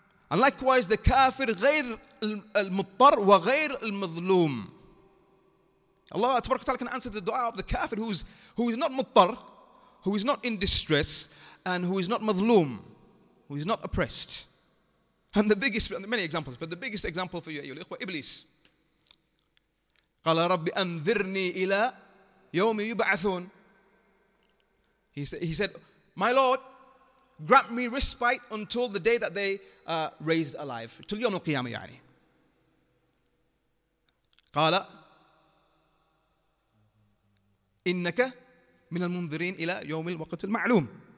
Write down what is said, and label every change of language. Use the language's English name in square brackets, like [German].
[English] And likewise, the kafir [Arabic] غير المضطر وغير المظلوم. [English] Allah تبارك وتعالى can answer the dua of the kafir who is not مضطر, who is not in distress, and who is not مظلوم, who is not oppressed. And the biggest, many examples, but the biggest example for you, [Arabic] أيها الإخوة, [English] Iblis. [Arabic] قال ربي أنذرني إلى يوم يبعثون. [English] He said, my Lord, grant me respite until the day that they are raised alive. Till yawm al-qiyamah, ya'ani. [Arabic] Qala innaka min al-mundhirin ila yawm al-waqt al-ma'lum.